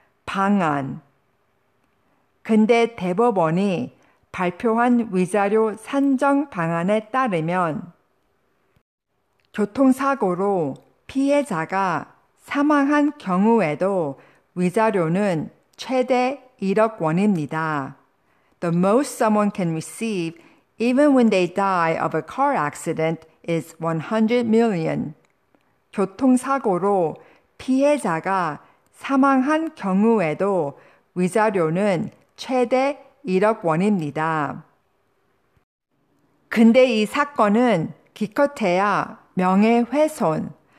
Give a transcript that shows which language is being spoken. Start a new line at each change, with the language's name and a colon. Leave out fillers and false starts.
Korean: 방안 근데 대법원이 발표한 위자료 산정 방안에 따르면 교통사고로 피해자가 사망한 경우에도 위자료는 최대 1억 원입니다.
English: The most someone can receive even when they die of a car accident is 100 million.
Korean: 교통사고로 피해자가 사망한 경우에도 위자료는 최대 1억 원입니다. 근데 이 사건은 기껏해야 명예훼손.